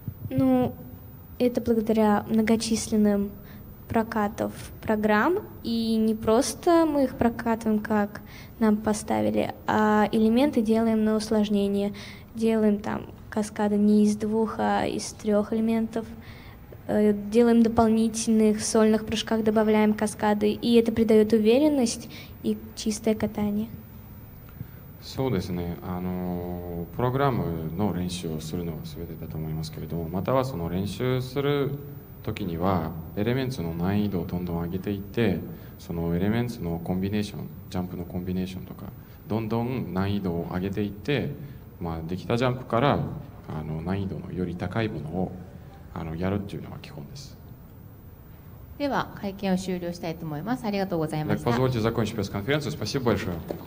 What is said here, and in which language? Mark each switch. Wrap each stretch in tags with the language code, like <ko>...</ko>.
<ru>Ну, это благодаря многочисленным прокатов программ, и не просто мы их прокатываем, как нам поставили, а элементы делаем на усложнение. Делаем там каскады не из двух, а из трех элементов. Делаем дополнительных, в сольных прыжках добавляем каскады, и это придает уверенность и чистое катание.</ru> <ja>そうですね、あのプログラムの練習をするのは全てだと思いますけれども、またはその練習する時にはエレメンツの難易度をどんどん上げていって、そのエレメンツのコンビネーション、ジャンプのコンビネーションとかどんどん難易度を上げていって、まあ、できたジャンプからあの難易度のより高いものをあのやるっていうのが基本です。では会見を終了したいと思います。ありがとうございました。</ja> <ru>Позвольте закончить пресс-конференцию. Спасибо большое.</ru>